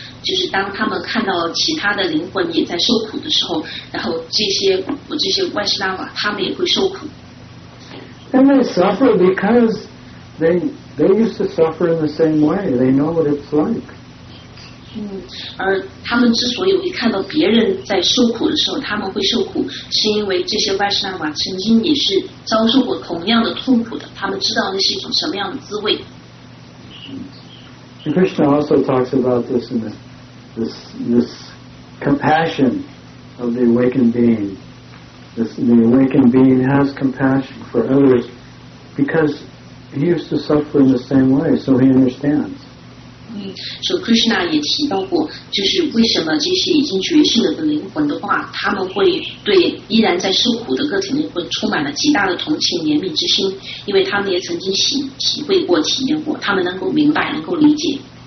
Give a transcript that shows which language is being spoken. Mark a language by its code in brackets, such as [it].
[zh] 就是当他们看到其他的灵魂也在受苦的时候，然后这些外师大法他们也会受苦。 [en] And they suffer because they used to suffer in the same way. They know what it's like. [zh] 而他们之所以会看到别人在受苦的时候他们会受苦，是因为这些外师大法曾经也是遭受过同样的痛苦的，他们知道那是一种什么样的滋味。 [en] Krishna also talks about this in this compassion of the awakened being. the awakened being has compassion for others because he used to suffer in the same way, so he understands. [zh] So Krishna 也提到过，就是为什么这些已经觉醒了的灵魂的话，他们会对依然在受苦的个体会充满了极大的同情怜悯之心，因为他们也曾经体会过、体验过，他们能够明白、能够理解。